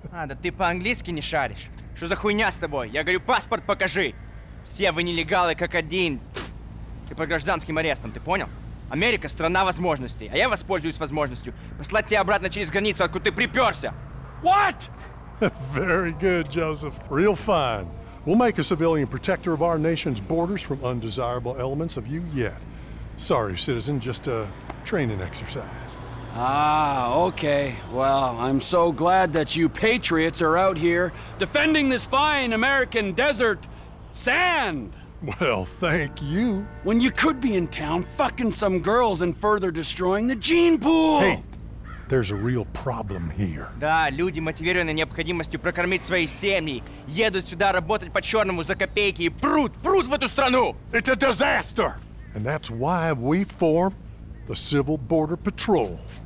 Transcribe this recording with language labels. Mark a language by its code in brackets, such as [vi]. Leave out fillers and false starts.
[ru] А, да ты по-английски не шаришь? Что за хуйня с тобой? Я говорю, паспорт покажи. Все вы нелегалы как один. Ты под гражданским арестом, ты понял? Америка — страна возможностей, а я воспользуюсь возможностью послать тебя обратно через границу, откуда ты припёрся. [en] What? Very good, Joseph. Real fine. We'll make a civilian protector of our nation's borders from undesirable elements of you yet. Sorry, citizen, just a training exercise. Ah, okay. Well, I'm so glad that you patriots are out here defending this fine American desert sand. Well, thank you. When you could be in town fucking some girls and further destroying the gene pool! Hey. There's a real problem here. [ru] Да, люди, мотивированные необходимостью прокормить свои семьи, едут сюда работать по черному за копейки и прут в эту страну. [en] It's a disaster. And that's why we form the Civil Border Patrol.